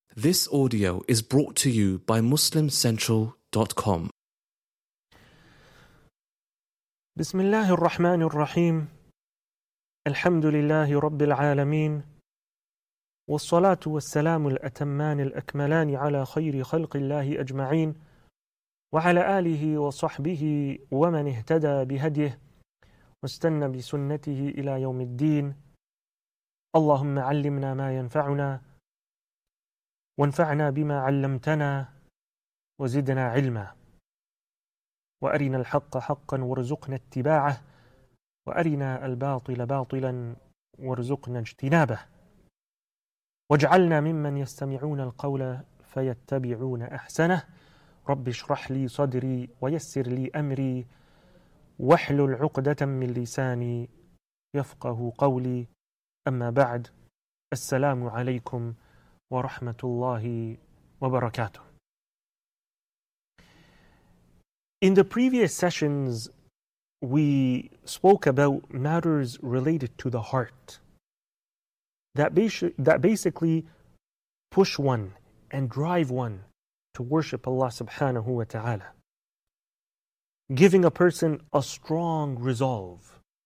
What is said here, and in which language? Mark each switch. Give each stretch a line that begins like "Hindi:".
English: This audio is brought to you by MuslimCentral.com.
Arabic: بسم الله الرحمن الرحيم الحمد لله رب العالمين والصلاة والسلام الأتمان الأكملان على خير خلق الله أجمعين وعلى آله وصحبه ومن اهتدى بهديه واستنى بسنته إلى يوم الدين اللهم علمنا ما ينفعنا وانفعنا بما علمتنا وزدنا علما وأرنا الحق حقا وارزقنا اتباعه وأرنا الباطل باطلا وارزقنا اجتنابه واجعلنا ممن يستمعون القول فيتبعون أحسنه رب اشرح لي صدري ويسر لي أمري واحلل عقدة من لساني يفقه قولي أما بعد السلام عليكم ورحمة الله وبركاته.
English: In the previous sessions, we spoke about matters related to the heart that basically push one and drive one to worship Allah subhanahu wa ta'ala, giving a person a strong resolve